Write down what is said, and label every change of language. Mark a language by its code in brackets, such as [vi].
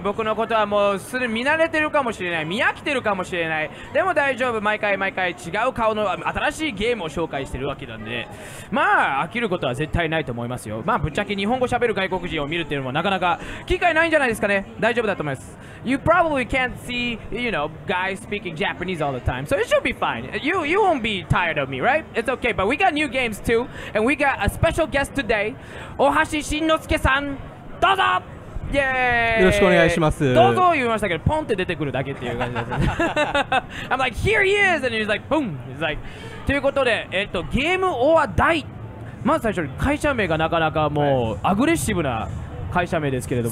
[ja] 僕のことはもうすでに見慣れてるかもしれない、見飽きてるかもしれない、でも大丈夫、毎回毎回違う顔の新しいゲームを紹介してるわけなんで、まあ飽きることは絶対ないと思いますよ。まあぶっちゃけ日本語喋る外国人を見るっていうのもなかなか機会ないんじゃないですかね。大丈夫だと思います。 [en] You probably can't see, you know, guys speaking Japanese all the time, so it should be fine. You won't be tired of me, right? It's okay, but we got new games too, and we got a special guest today. [ja] 大橋慎之介さん、どうぞ。イエーイ、よろしくお願いします。どうぞ言いましたけど、ポンって出てくるだけっていう感じですね。 [en] I'm like, here he is! And he's like, boom! He's like, [ja] ということで、ゲームオアダイ、まず最初に会社名がなかなかもう、はい、アグレッシブな会社名ですけれども、